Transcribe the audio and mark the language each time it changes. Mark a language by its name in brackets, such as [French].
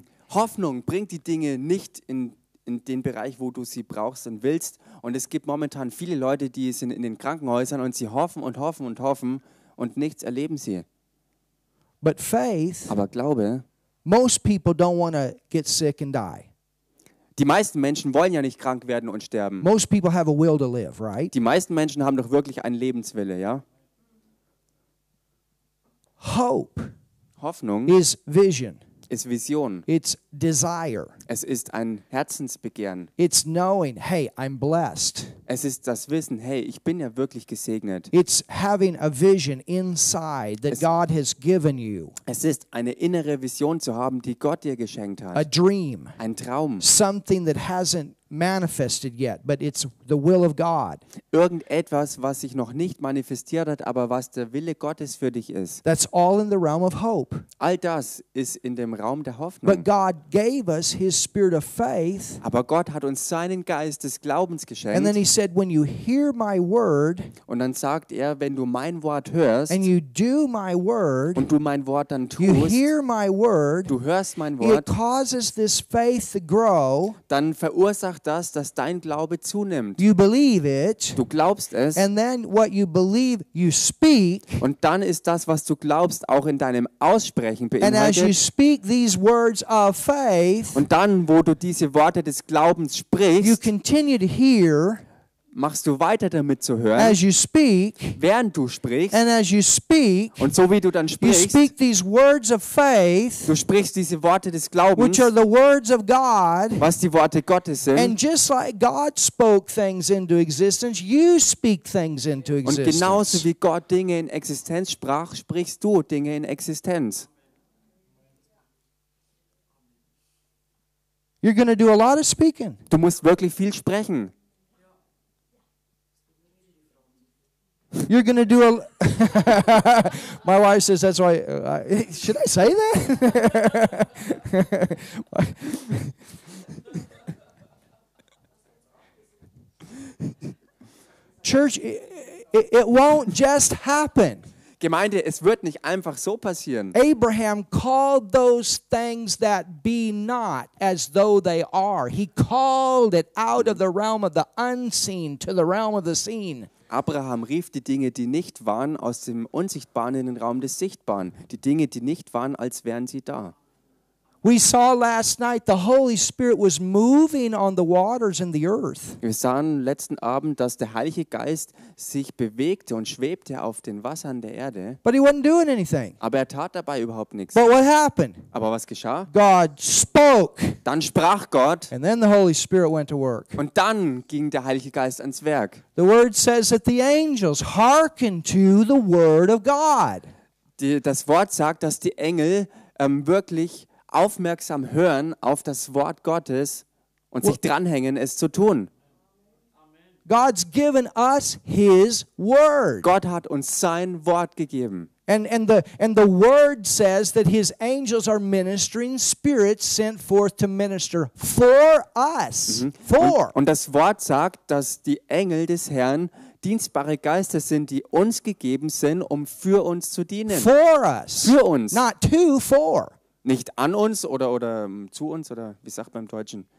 [German] Hoffnung bringt die Dinge nicht in den Bereich, wo du sie brauchst und willst. Und es gibt momentan viele Leute, die sind in den Krankenhäusern und sie hoffen und hoffen und hoffen und nichts erleben sie. [English] But faith. [German] Aber Glaube. [English] Most people don't want to get sick and die. [German] Die meisten Menschen wollen ja nicht krank werden und sterben. [English] Most people have a will to live, right? [German] Die meisten Menschen haben doch wirklich einen Lebenswille, ja? [English] Hope. [German] Hoffnung. [English] Is vision. [German] Ist Vision. [English] It's desire. [German] Es ist ein Herzensbegehren. [English] It's knowing, hey, I'm blessed. [German] Es ist das Wissen, hey, ich bin ja wirklich gesegnet. [English] It's having a vision inside that God has given you. [German] Es ist eine innere Vision zu haben, die Gott dir geschenkt hat. [English] A dream. [German] Ein Traum. [English] Something that hasn't manifested yet, but it's the will of God. [German] Irgendetwas, was sich noch nicht manifestiert hat, aber was der Wille Gottes für dich ist. [English] That's all in the realm of hope. [German] All das ist in dem Raum der Hoffnung. [English] But God gave us His Spirit of faith. [German] Aber Gott hat uns seinen Geist des Glaubens geschenkt. [English] And then He said, when you hear My word. [German] Und dann sagt er, wenn du mein Wort hörst. [English] And you do My word. [German] Und du mein Wort dann tust. [English] You hear My word. [German] Du hörst mein Wort. [English] It causes this faith to grow. [German] Dann verursacht das, dass dein Glaube zunimmt. [English] You believe it, [German] du glaubst es. [English] And then what you believe, you speak, [German] und dann ist das, was du glaubst, auch in deinem Aussprechen beinhaltet. [English] And as you speak these words of faith, [German] und dann, wo du diese Worte des Glaubens sprichst, [English] you continue to hear, [German] machst du weiter damit zu hören, [English] as you speak, [German] während du sprichst. [English] And as you speak, [German] und so wie du dann sprichst, [English] you speak these words of faith, [German] du sprichst diese Worte des Glaubens, [English] which are the words of God, [German] was die Worte Gottes sind. [English] And just like God spoke things into existence, you speak things into existence. [German] Und genauso wie Gott Dinge in Existenz sprach, sprichst du Dinge in Existenz. [English] You're gonna do a lot of speaking. [German] Du musst wirklich viel sprechen. [English] You're going to do a... My wife says, that's why... should I say that? Church, it won't just happen. [German] Gemeinde, es wird nicht einfach so passieren. [English] Abraham called those things that be not as though they are. He called it out of the realm of the unseen to the realm of the seen. [German] Abraham rief die Dinge, die nicht waren, aus dem Unsichtbaren in den Raum des Sichtbaren. Die Dinge, die nicht waren, als wären sie da. [English] We saw last night the Holy Spirit was moving on the waters and the earth. [German] Wir sahen letzten Abend, dass der Heilige Geist sich bewegte und schwebte auf den Wassern der Erde. [English] But he wasn't doing anything. [German] Aber er tat dabei überhaupt nichts. [English] But what happened? [German] Aber was geschah? [English] God spoke. [German] Dann sprach Gott. [English] And then the Holy Spirit went to work. [German] Und dann ging der Heilige Geist ans Werk. [English] The word says that the angels hearken to the word of God. [German] Das Wort sagt, dass die Engel wirklich aufmerksam hören auf das Wort Gottes und sich dranhängen, es zu tun. [English] God's given us his word. [German] Gott hat uns sein Wort gegeben. [English] And the word says that his angels are ministering spirits sent forth to minister for us. Mhm. For. [German] Und das Wort sagt, dass die Engel des Herrn dienstbare Geister sind, die uns gegeben sind, um für uns zu dienen. [English] For us. [German] Für uns. [English] Not to, for. [German] Nicht an uns oder zu uns oder wie sagt man im Deutschen?